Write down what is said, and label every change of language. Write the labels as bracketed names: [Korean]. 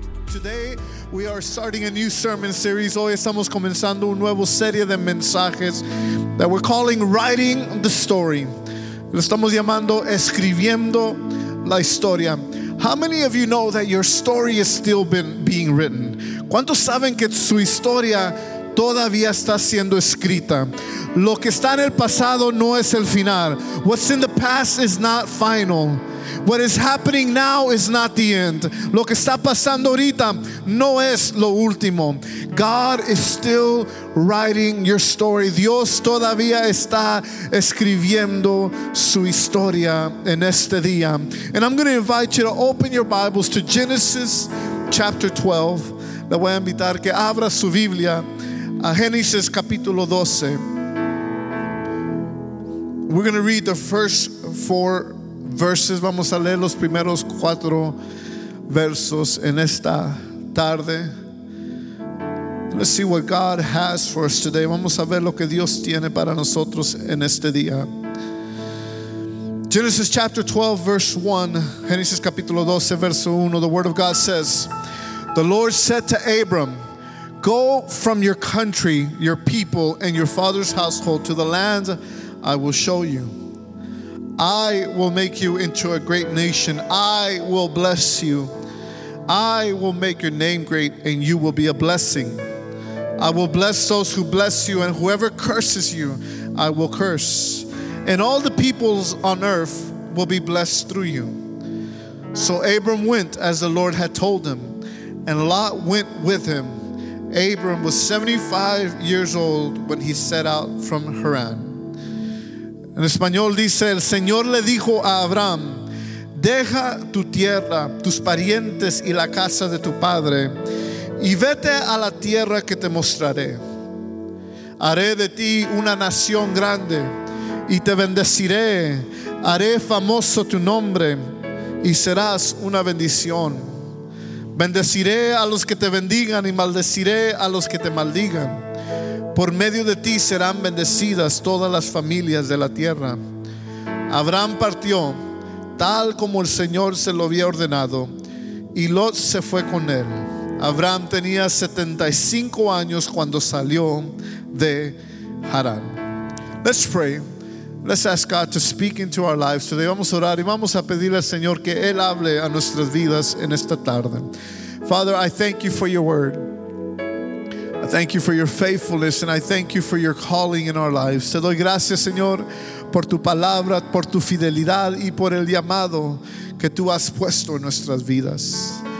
[English] Today, we are starting a new sermon series. [Spanish] Hoy estamos comenzando un nuevo serie de mensajes [English] that we're calling Writing the Story. [Spanish] Lo estamos llamando Escribiendo la Historia. [English] How many of you know that your story is still being written? [Spanish] ¿Cuántos saben que su historia todavía está siendo escrita? Lo que está en el pasado no es el final. [English] What's in the past is not final. What is happening now is not the end. [Spanish] Lo que está pasando ahorita no es lo último. [English] God is still writing your story. [Spanish] Dios todavía está escribiendo su historia en este día. [English] And I'm going to invite you to open your Bibles to Genesis chapter 12. [Spanish] Le voy a invitar que abra su Biblia a Génesis capítulo 12. [English] We're going to read the first four verses. [Spanish] Vamos a leer los primeros cuatro versos en esta tarde. [English] Let's see what God has for us today. [Spanish] Vamos a ver lo que Dios tiene para nosotros en este día. [English] Genesis chapter 12, verse 1. [Spanish] Génesis capítulo 12, verso 1. [English] The word of God says, "The Lord said to Abram, 'Go from your country, your people, and your father's household to the land I will show you. I will make you into a great nation. I will bless you. I will make your name great, and you will be a blessing. I will bless those who bless you, and whoever curses you, I will curse. And all the peoples on earth will be blessed through you.' So Abram went as the Lord had told him, and Lot went with him. Abram was 75 years old when he set out from Haran." [Spanish] En español dice, "El Señor le dijo a Abraham, 'Deja tu tierra, tus parientes y la casa de tu padre, y vete a la tierra que te mostraré. Haré de ti una nación grande, y te bendeciré. Haré famoso tu nombre, y serás una bendición. Bendeciré a los que te bendigan y maldeciré a los que te maldigan. Por medio de ti serán bendecidas todas las familias de la tierra.' Abraham partió tal como el Señor se lo había ordenado, y Lot se fue con él. Abraham tenía 75 años cuando salió de Harán." [English] Let's pray. Let's ask God to speak into our lives today. [Spanish] Vamos a orar y vamos a pedir al Señor que Él hable a nuestras vidas en esta tarde. [English] Father, I thank you for your word. I thank you for your faithfulness, and I thank you for your calling in our lives. [Spanish] Te doy gracias, Señor, por tu palabra, por tu fidelidad y por el llamado que tú has puesto en nuestras vidas.